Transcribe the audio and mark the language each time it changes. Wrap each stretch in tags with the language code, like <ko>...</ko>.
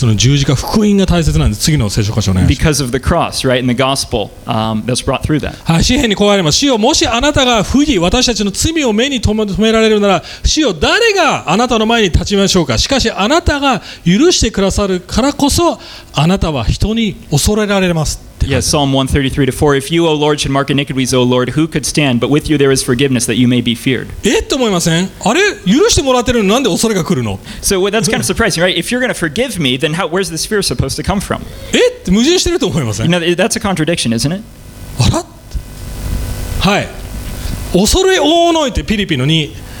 <ja>十字架です。十字架、イエス・キリストの十字架、福音が大切なんです。次の聖書箇所をお願いします。</ja> <en>Because of the cross, right, and the gospel that's brought through that.</en> <ja>詩篇にこうありますよ。もしあなたが不義、私たちの罪を目に留められるなら、主よ、誰があなたの前に立ちましょうか。しかしあなたが許してくださるからこそ、あなたは人に恐れられます。</ja> <en>Yes, Psalm 133 to 4. If you, O Lord, should mark iniquities, O Lord, who could stand? But with you there is forgiveness that you may be feared. So that's kind of surprising, right? If you're going to forgive me, then how, where's this fear supposed to come from? That's a contradiction, isn't it?</en> <ja>はい。恐れ多のいてピリピの2。</ja>